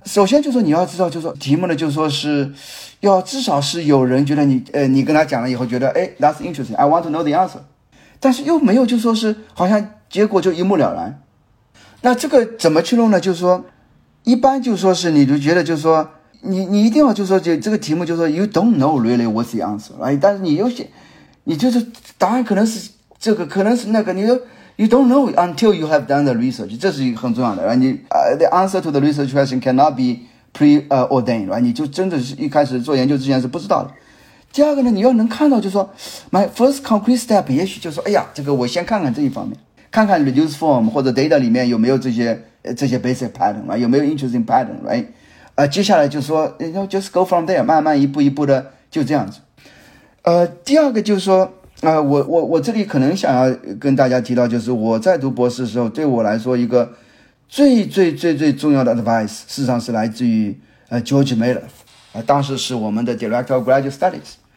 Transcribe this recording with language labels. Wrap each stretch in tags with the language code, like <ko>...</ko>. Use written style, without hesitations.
<zh>首先就是说你要知道，就是说题目呢，就是说是要至少是有人觉得你跟他讲了以后觉得哎 ，</zh> <en>that's interesting, I want to know the answer，</en> <zh>但是又没有就是说是好像结果就一目了然。那这个怎么去弄呢？就是说，一般就是说是你就觉得就是说你一定要就是说这个题目就是说</zh> <en>you don't know really what's the answer, right?</en> <zh>但是你有些你就是答案可能是这个，可能是那个，你就。</zh> <en>You don't know until you have done the research.</en> <zh>这是一个很重要的。</zh> <en>Right? The answer to the research question cannot be preordained. Right?</en> <zh>你就真的是一开始做研究之前是不知道的。第二个呢，你要能看到就是说</zh> <en>my first concrete step</en> <zh>也许就是说哎呀这个我先看看这一方面。看看 reduce form 或者 data 里面有没有这些</zh> <en>basic pattern，</en> <zh>啊，有没有</zh> <en>interesting pattern，</en> <zh>right？接下来就说</zh> <en>you know, just go from there，</en> <zh>慢慢一步一步的就这样子。第二个就是说，我这里可能想要跟大家提到，就是我在读博士的时候，对我来说一个最最最最重要的 advice， 事实上是来自于George Maloff， 当时是我们的 Director of Graduate Studies。</zh>